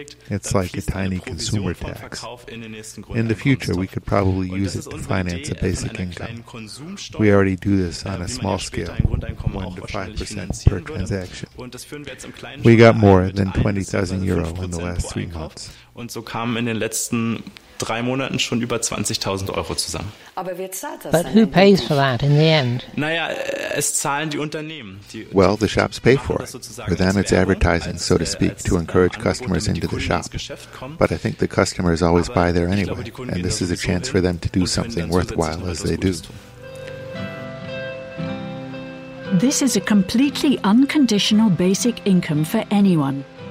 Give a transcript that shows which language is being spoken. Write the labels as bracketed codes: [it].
[en] It's like a tiny consumer tax. In the future, we could probably use it to finance a basic income. We already do this on a small scale, 1 to 5% per transaction. We got more than 20,000 euro in the last 3 months. [de] Und so kamen in den letzten 3 Monaten schon über 20.000 Euro zusammen. Aber wer zahlt das? [en] But who pays for that in the end? [de] Naja, es zahlen die Unternehmen. [en] Well, the shops pay for it. For them, it's advertising, so to speak, to encourage customers into the shop. But I think the customers always buy there anyway, and this is a chance for them to do something worthwhile as they do. This is a completely unconditional basic income for anyone.